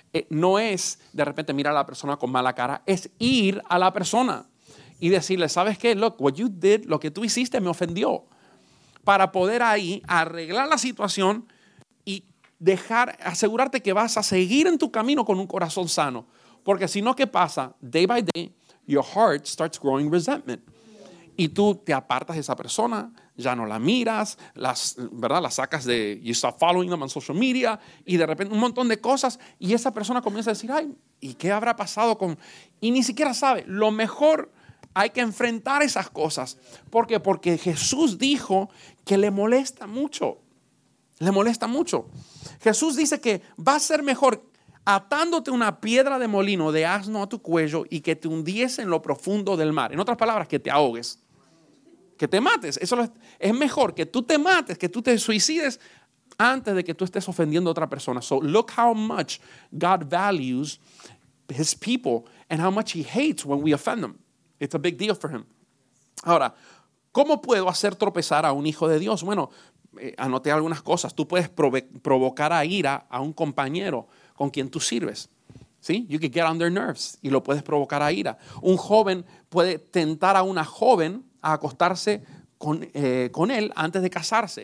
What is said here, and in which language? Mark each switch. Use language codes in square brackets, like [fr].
[es] No es de repente mirar a la persona con mala cara. Es ir a la persona y decirle, ¿sabes qué? [en] Look, what you did, [es] lo que tú hiciste me ofendió. Para poder ahí arreglar la situación y dejar, asegurarte que vas a seguir en tu camino con un corazón sano. Porque si no, ¿qué pasa? [en] Day by day, your heart starts growing resentment. [es] Y tú te apartas de esa persona, ya no la miras, ¿verdad? La sacas de, [en] you start following them on social media, [es] y de repente un montón de cosas, y esa persona comienza a decir, ay, ¿y qué habrá pasado con...? Y ni siquiera sabe. Lo mejor, hay que enfrentar esas cosas. ¿Por qué? Porque Jesús dijo que le molesta mucho. Le molesta mucho. Jesús dice que va a ser mejor atándote una piedra de molino de asno a tu cuello y que te hundiese en lo profundo del mar. En otras palabras, que te ahogues, que te mates. Eso es mejor que tú te mates, que tú te suicides antes de que tú estés ofendiendo a otra persona. [en] So look how much God values his people and how much he hates when we offend them. It's a big deal for him. [es] Ahora, ¿cómo puedo hacer tropezar a un hijo de Dios? Bueno, anoté algunas cosas. Tú puedes provocar a ira a un compañero con quien tú sirves. ¿Sí? [en] You could get on their nerves [es] y lo puedes provocar a ira. Un joven puede tentar a una joven a acostarse con él antes de casarse.